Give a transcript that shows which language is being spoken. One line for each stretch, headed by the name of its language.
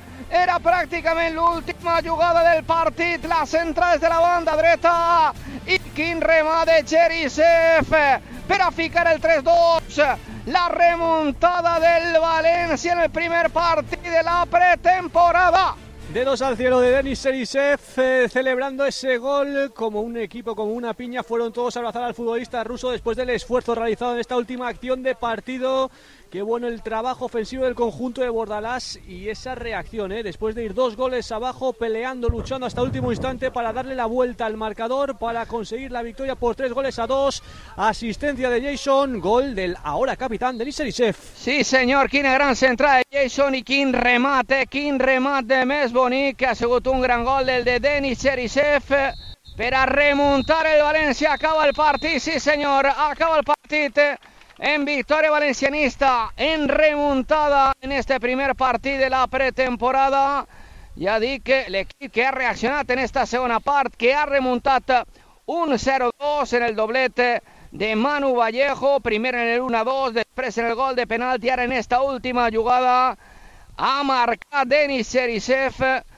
Catalan: Era pràcticament l'última jugada del partit, la centra des de la banda dreta i quin remat de Cheryshev per a ficar el 3-2. La remontada del València en el primer partit de la pretemporada.
Spanish: Dedos al cielo de Denis Cheryshev, celebrando ese gol como un equipo, como una piña. Fueron todos a abrazar al futbolista ruso después del esfuerzo realizado en esta última acción de partido. Qué bueno el trabajo ofensivo del conjunto de Bordalás y esa reacción, después de ir dos goles abajo, peleando, luchando hasta último instante para darle la vuelta al marcador, para conseguir la victoria por 3-2. Asistencia de Jason, gol del ahora capitán Denis Cheryshev. Sí, señor,
Catalan: quina gran centrada de Jason y quin remate més bonic, que ha sigut un gran gol del de Denis Cheryshev. Per a remontar el València, acaba el partit,
Spanish: sí, señor,
Catalan: acaba el partit.
Spanish: En victoria valencianista, en remontada en este primer partido de la pretemporada. Ya di que el equipo que ha reaccionado en esta segunda parte, que ha remontado un 0-2 en el doblete de Manu Vallejo, primero en el 1-2, después en el gol de penalti, ahora en esta última jugada ha marcado Denis Cheryshev.